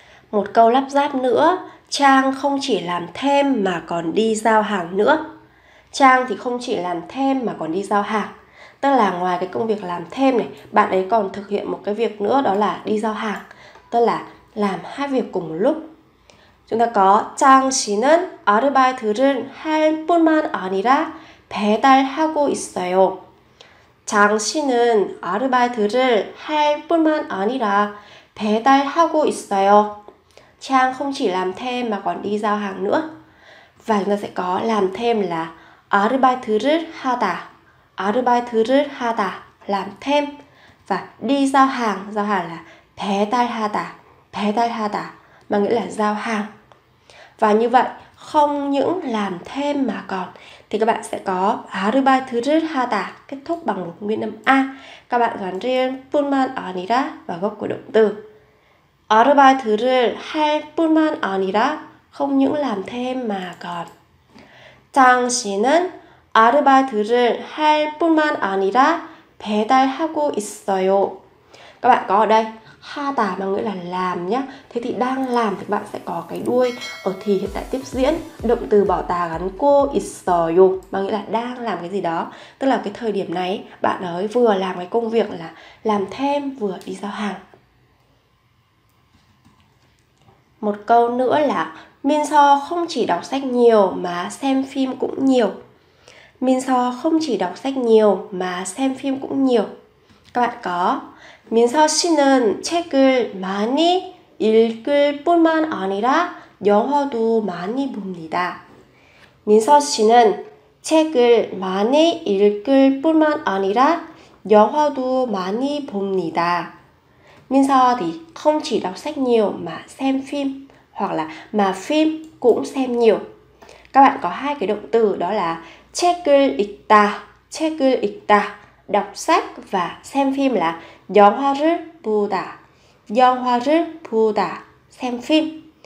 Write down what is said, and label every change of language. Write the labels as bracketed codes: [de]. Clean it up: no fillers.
[vi] Một câu lắp ráp nữa, Trang không chỉ làm thêm mà còn đi giao hàng nữa. Trang thì không chỉ làm thêm mà còn đi giao hàng. Tức là ngoài cái công việc làm thêm này, bạn ấy còn thực hiện một cái việc nữa đó là đi giao hàng. Tức là làm hai việc cùng một lúc. Chúng ta có [ko] Trang 씨는 아르바이트를 할 뿐만 아니라 배달하고 있어요. 장 씨는 아르바이트를 할 뿐만 아니라 배달하고 있어요. [vi] Trang không chỉ làm thêm mà còn đi giao hàng nữa. Và chúng ta sẽ có làm thêm là [ko] 아르바이트를 하다. 아르바이트를 하다 [vi] làm thêm và đi giao hàng là [ko] 배달하다. 배달하다 [vi] mà nghĩa là giao hàng. Và như vậy, không những làm thêm mà còn thì các bạn sẽ có [ko] 아르바이트를 하다 [vi] kết thúc bằng một nguyên âm a. Các bạn gắn riêng [ko] 뿐만 아니라 [vi] vào gốc của động từ. [ko] 아르바이트를 할 뿐만 아니라 [vi] không những làm thêm mà còn. [ko] 장 씨는 아르바이트를 할 뿐만 아니라 배달하고 있어요. [vi] Các bạn có ở đây [ko] 하다 [vi] mà nghĩa là làm nhá. Thế thì đang làm thì các bạn sẽ có cái đuôi ở thì hiện tại tiếp diễn, động từ bỏ tà gắn cô [ko] 있어요 [vi] mà nghĩa là đang làm cái gì đó. Tức là cái thời điểm này bạn ấy vừa làm cái công việc là làm thêm vừa đi giao hàng. Một câu nữa là Minso không chỉ đọc sách nhiều mà xem phim cũng nhiều. Minso không chỉ đọc sách nhiều mà xem phim cũng nhiều. các bạn có [ko] 민서 씨는 책을 많이 읽을 뿐만 아니라 영화도 많이 봅니다. 민서 씨는 책을 많이 읽을 뿐만 아니라 영화도 많이 봅니다. [vi] 민서 thì không chỉ đọc sách nhiều mà xem phim hoặc là mà phim cũng xem nhiều. Các bạn có hai cái động từ đó là [ko] 책을 읽다, 책을 읽다, [vi] đọc sách, và xem phim là [ko] 영화를 보다, 영화를 보다, [vi] xem phim.